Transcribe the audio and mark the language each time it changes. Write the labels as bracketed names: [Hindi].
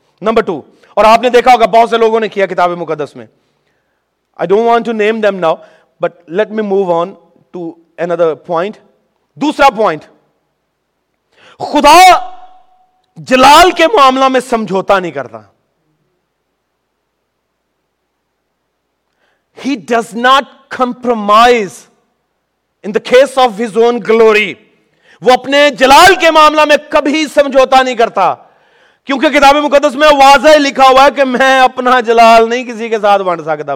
[Urdu] Number two, اور آپ نے دیکھا ہوگا بہت سے لوگوں نے کیا کتاب مقدس میں, [English] I don't want to name them now, but let me move on to another point. [Urdu] دوسرا پوائنٹ, خدا جلال کے معاملہ میں سمجھوتا نہیں کرتا. [English] He does not compromise in the case of his own glory. [Urdu] وہ اپنے جلال کے معاملہ میں کبھی سمجھوتا نہیں کرتا, کیونکہ کتاب مقدس میں واضح لکھا ہوا ہے کہ میں اپنا جلال نہیں کسی کے ساتھ بانٹ سکتا.